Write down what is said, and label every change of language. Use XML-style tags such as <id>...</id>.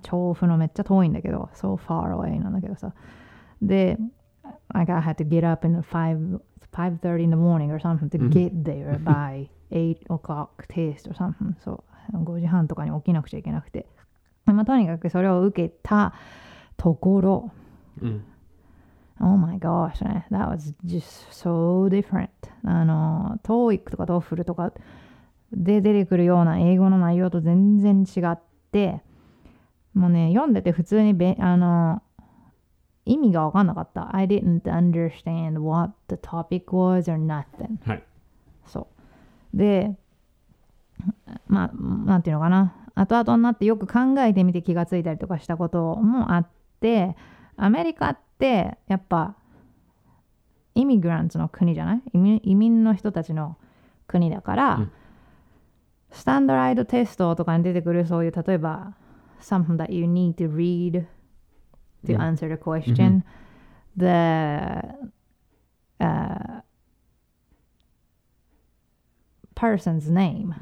<ja>調布のめっちゃ遠いんだけど、</ja> <en>so far away</en> <ja>なんだけどさ。で、</ja> <en>like、I had to get up in 5:30 in the morning or something to get there by 8 o'clock test or something.</en> <ja>そう、5時半とかに起きなくちゃいけなくて。まあ、とにかくそれを受けたところ、うん、</ja> <en>Oh my gosh, that was just so different.</en> <ja>TOEIC とか TOEFL とかで出てくるような英語の内容と全然違って、もうね、読んでて普通に意味が分かんなかった。</ja> <en>I didn't understand what the topic was or nothing.</en> <ja>はい。そう。で、まあ、なんていうのかな。後々になってよく考えてみて気がついたりとかしたこともあって、アメリカってでやっぱイミグランツの国じゃない、移民の人たちの国だから、うん、スタンダライドテストとかに出てくるそういう例えば</ja> <en>something that you need to read to answer the question、</en> <ja>うん、</ja> <en>the、person's name、</en>